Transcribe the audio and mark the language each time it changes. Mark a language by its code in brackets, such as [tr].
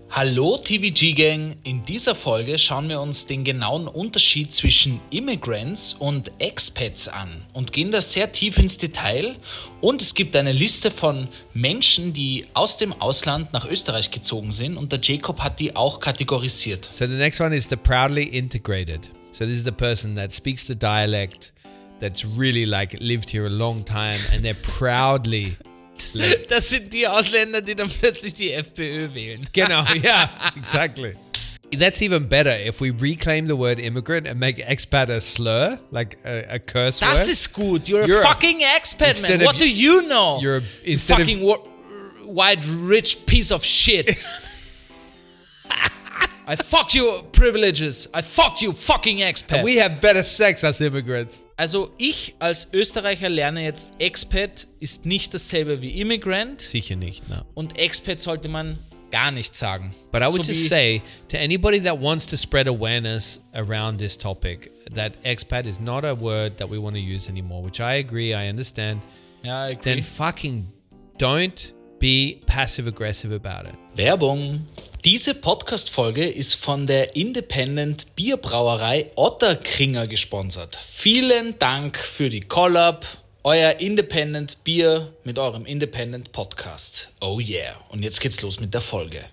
[de] Hallo TVG-Gang, in dieser Folge schauen wir uns den genauen Unterschied zwischen Immigrants und Expats an und gehen da sehr tief ins Detail. Und es gibt eine Liste von Menschen, die aus dem Ausland nach Österreich gezogen sind und der Jacob hat die auch kategorisiert. [en] So the next one is the proudly integrated. So this is the person that speaks the dialect, that's really like lived here a long time and they're proudly... [de] Das sind die Ausländer, die dann plötzlich die FPÖ wählen. Genau, [en] yeah, exactly. That's even better if we reclaim the word immigrant and make expat a slur, like a curse [de] das [en] word. [de] Das ist gut. [en] You're a fucking expat, man. What do you know? You're a fucking white rich piece of shit. I fuck your privileges. I fuck you fucking expat. And we have better sex as immigrants. [de] Also ich als Österreicher lerne jetzt, Expat ist nicht dasselbe wie Immigrant. Sicher nicht, ne. Und Expat sollte man gar nicht sagen. [en] But I would just say to anybody that wants to spread awareness around this topic, that expat is not a word that we want to use anymore, which I agree, I understand. Ja, I agree. Then fucking don't be passive-aggressive about it. [de] Werbung. Diese Podcast-Folge ist von der Independent-Bierbrauerei Otterkringer gesponsert. Vielen Dank für die Collab, euer Independent-Bier mit eurem Independent-Podcast. [en] Oh yeah. [de] Und jetzt geht's los mit der Folge.